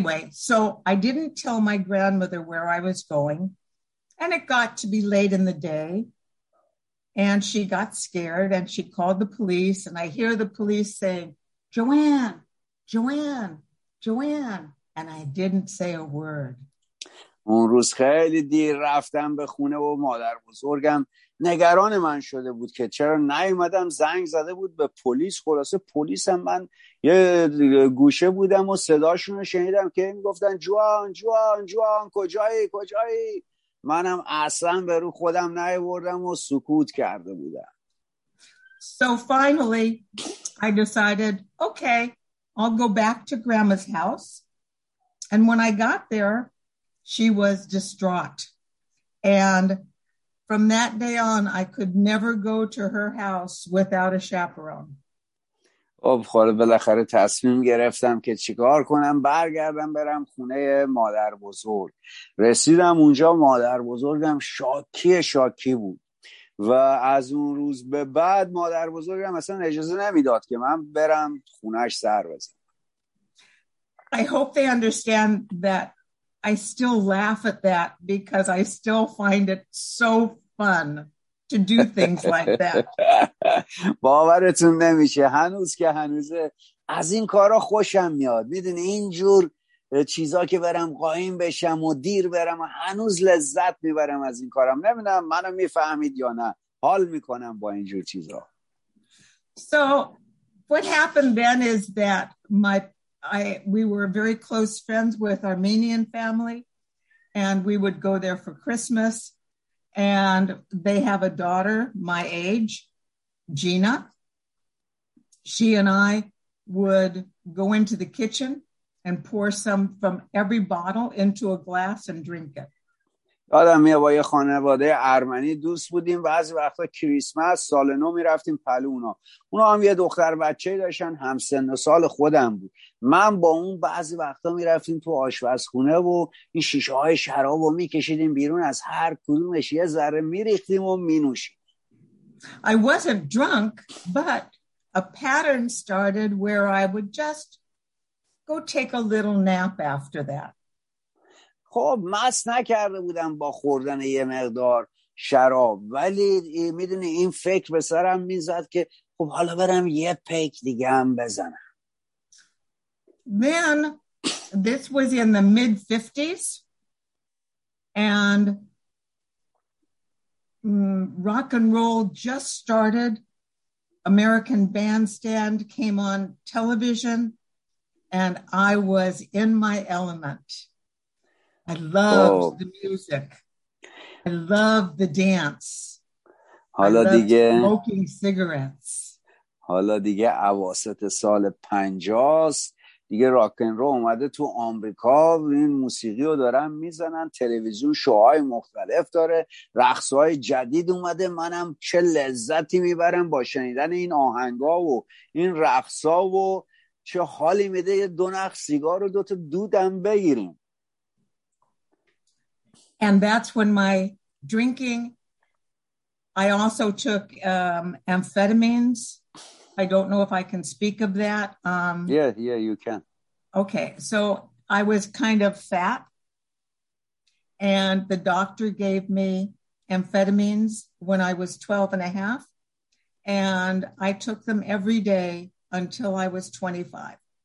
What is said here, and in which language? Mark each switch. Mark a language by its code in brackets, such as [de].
[en] So I didn't tell my grandmother where I was going, and it got to be late in the day, and she got scared and she called the police, and I hear the police saying, "Joanne, Joanne, Joanne," and I didn't say a word. [fa] اون روز خیلی دیر رفتم به خونه و مادر بزرگم نگران من شده بود که چرا نیومدم، زنگ زده بود به پلیس، خلاصه پلیسم من یه گوشه بودم و صداشون رو شنیدم که میگفتن جوان جوان جوان کجایی کجایی، منم اصلا به رو خودم نیاوردم و سکوت کرده بودم. [en] So finally I decided, okay, I'll go back to grandma's house. And when I got there, she was distraught. And from that day on, I could never go to her house without a chaperone. [fa] خب حالا بالاخره تصمیم گرفتم که چیکار کنم، برگردم برم خونه مادر بزرگ. رسیدم اونجا، مادر بزرگم شاکی بود و از اون روز به بعد مادر بزرگم اصلا اجازه نمیداد که من برم خونش سر بزنم. [en] I hope they understand that I still laugh at that because I still find it so fun to do things like that. [fa] باورتون نمیشه، هنوز که هنوزه از این کارا خوشم میاد. میدونی اینجور چیزا که برم قایم بشم و دیر برم و هنوز لذت میبرم از این کارم. نمیدونم منو میفهمید یا نه، حال میکنم با اینجور چیزا. [en] So what happened then is that we were very close friends with Armenian family, and we would go there for Christmas, and they have a daughter my age, Gina. She and I would go into the kitchen and pour some from every bottle into a glass and drink it. [fa] آدم یه با یه خانواده ارمنی دوست بودیم، بعضی وقتا کریسمس سال نو میرفتیم پلو اونا. اونا هم یه دختر بچه داشتن همسن و سال خودم بود. من با اون بعضی وقتا میرفتیم تو آشپزخونه و این شیشه های شراب رو میکشیدیم بیرون، از هر کدومش یه ذره میریختیم و مینوشیم. [en] I wasn't drunk, but a pattern started where I would just go take a little nap after that. [fa] خب مست نکرده بودم با خوردن یه مقدار شراب، ولی میدونی این فکر به سرم میزد که خب حالا برم یه پیک دیگه هم بزنم. [en] Then this was in the mid 50s and rock and roll just started. American Bandstand came on television, and I was in my element. I loved the music. I loved the dance. [fa] حالا دیگه [en] smoking cigarettes. [fa] حالا دیگه اواسط سال 50 دیگه راک اند رول اومده تو آمریکا و این موسیقی رو دارن میزنن، تلویزیون شوهای مختلف داره، رقصهای جدید اومده، منم چه لذتی میبرم با شنیدن این آهنگا و این رقصا و چه حالی میده یه دو نخ سیگار و دوتا دودم بگیریم. [en] And that's when my drinking, I also took amphetamines. I don't know if I can speak of that. Yeah, you can. Okay, so I was kind of fat, and the doctor gave me amphetamines when I was 12 and a half, and I took them every day until I was 25.